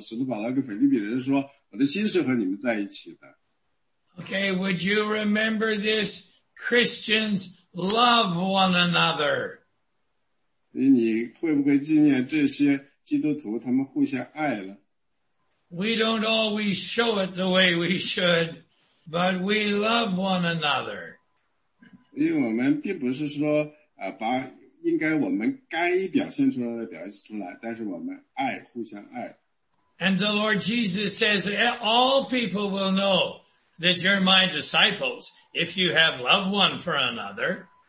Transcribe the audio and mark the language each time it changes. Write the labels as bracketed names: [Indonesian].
[Chinese] 他说呢，为什么我回到，我那么高兴回到温哥华呢？因为我的心在温哥华，我的工作在欧洲。当然我很高兴能和欧洲的同伴一起工作，但是呢，我的心在温哥华，所以我愿意回到温哥华。所以保罗使徒保罗跟腓立比人说，我的心是和你们在一起的。 [English] Okay, would you remember this? Christians love one another. [Chinese] 你会不会纪念这些基督徒，他们互相爱了？ [English] We don't always show it the way we should, but we love one another. [Chinese] 因为我们并不是说把应该我们该表现出来的表现出来，但是我们爱，互相爱。 [English] And the Lord Jesus says, all people will know that you're my disciples, if you have love one for another.